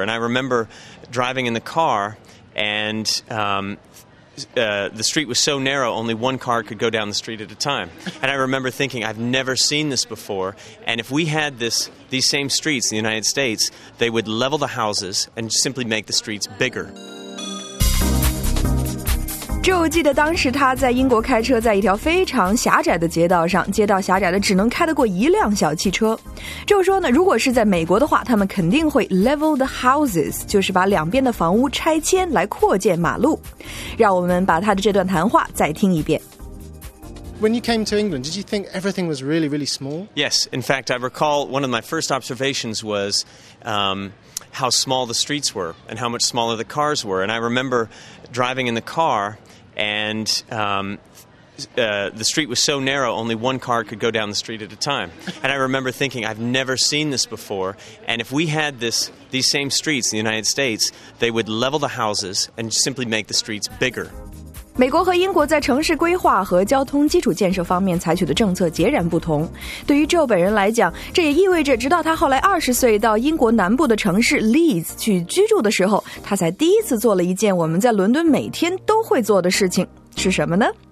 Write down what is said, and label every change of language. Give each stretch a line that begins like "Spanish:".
English: And I remember driving in the car and...、the street was so narrow, only one car could go down the street at a time. And I remember thinking, I've never seen this before. And if we had these same streets in the United States, they would level the houses and simply make the streets bigger.
Chinese: Joe 记得当时他在英国开车在一条非常狭窄的街道上，街道狭窄的只能开得过一辆小汽车。 Joe 说呢，如果是在美国的话，他们肯定会
English: level the houses，
Chinese: 就是把两边的房屋拆迁来扩建马路。让我们把他的这段谈话再听一遍。
English: When you came to England, did you think everything was really, really small? Yes. In fact, I recall one of my first observations was、how small the streets were and how much smaller the cars were. And I remember driving in the car... And、the street was so narrow, only one car could go down the street at a time. And I remember thinking, I've never seen this before. And if we had these same streets in the United States, they would level the houses and simply make the streets bigger.
Chinese: 美国和英国在城市规划和交通基础建设方面采取的政策截然不同。对于 Joe 本人来讲，这也意味着直到他后来20岁到英国南部的城市 Leeds 去居住的时候，他才第一次做了一件我们在伦敦每天都会做的事情，是什么呢？